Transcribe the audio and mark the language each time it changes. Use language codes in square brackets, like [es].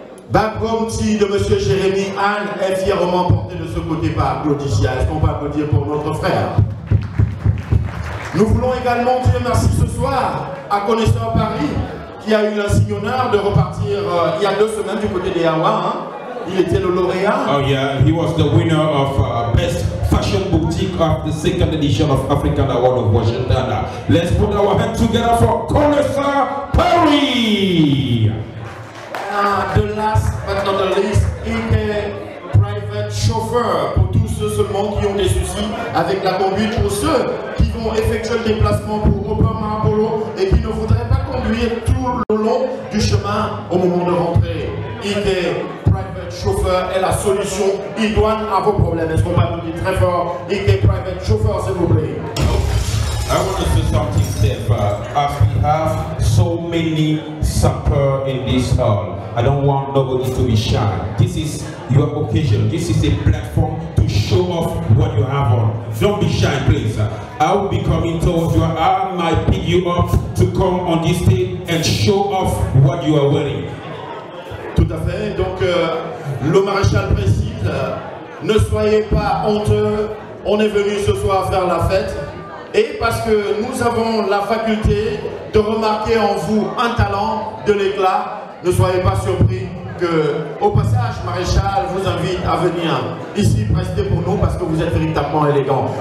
[fr] Back Home Tea de Monsieur Jérémy Anne est fièrement porté de ce côté par Claudicia. Est-ce qu'on peut applaudir pour notre frère? Nous voulons également dire merci ce soir à Connaisseur Paris, qui a eu l'insigne honneur de repartir il y a deux semaines du côté des Hawa. Hein. Il était le lauréat. [en] Oh yeah, he was the winner of Best Fashion Boutique of the second edition of African Award of Washington. Let's put our hands together for Connaisseur Paris! The last but not the least, he came private. [fr] chauffeur, pour tous ceux seulement qui ont des soucis avec la conduite, pour ceux qui vont effectuer le déplacement pour Obama Apollo et qui ne voudraient pas conduire tout le long du chemin au moment de rentrer. Il est private chauffeur est la solution idoine à vos problèmes. Est-ce qu'on va nous dire très fort, il est private chauffeur, s'il vous plaît. [en] I want to say something, Steph. As we have so many supper in this hall, I don't want nobody to be shy. This is your occasion. This is a platform to show off what you have on. Don't be shy, please. I will be coming towards you. I might pick you up to come on this stage and show off what you are wearing. [fr] Tout à fait. Donc, le maréchal précise, ne soyez pas honteux. On est venu ce soir faire la fête. Et parce que nous avons la faculté de remarquer en vous un talent, de l'éclat, ne soyez pas surpris que, au passage, Maréchal vous invite à venir ici prester pour nous parce que vous êtes véritablement élégant.